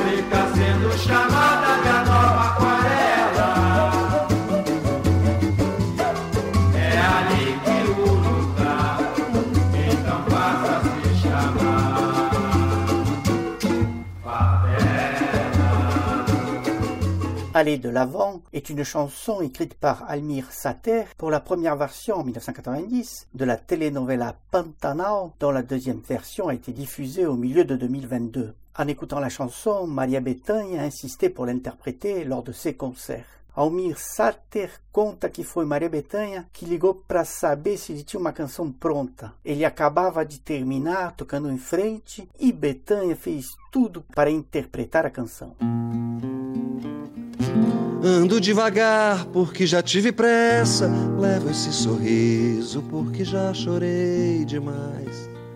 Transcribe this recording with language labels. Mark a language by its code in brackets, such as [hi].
[pt] fica sendo chamada de a nova aquarela. É ali que o lugar então passa a se chamar favela. [fr] Aller de l'avant est une chanson écrite par Almir Sater pour la première version en 1990 de la telenovela Pantanal, dont la deuxième version a été diffusée au milieu de 2022. En écoutant la chanson, Maria Bethânia a insisté pour l'interpréter lors de ses concerts. [pt] Almir Sater conta que foi Maria Bethânia que ligou para saber se ele tinha uma canção pronta. Ele acabava de terminar tocando em frente e Bethânia fez tudo para interpretar a canção. Ando devagar porque já tive pressa, levo esse sorriso porque já chorei demais.